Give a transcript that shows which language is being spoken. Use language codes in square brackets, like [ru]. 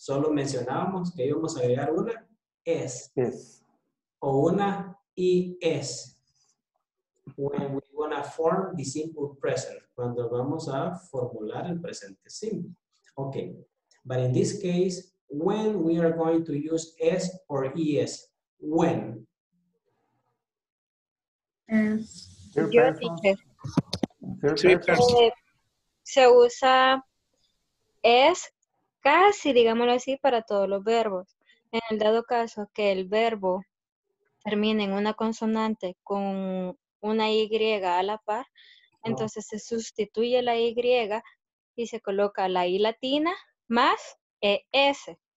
[es] Solo mencionábamos que íbamos a agregar una S. [en] Yes. [es] O una ES. [en] When we want to form the simple present. [es] Cuando vamos a formular el presente simple. [en] Okay. But in this case, when we are going to use S or ES? When? [es] Se usa S casi, digámoslo así, para todos los verbos. En el dado caso que el verbo termine en una consonante con una Y a la par, entonces se sustituye la Y y se coloca la I latina más ES.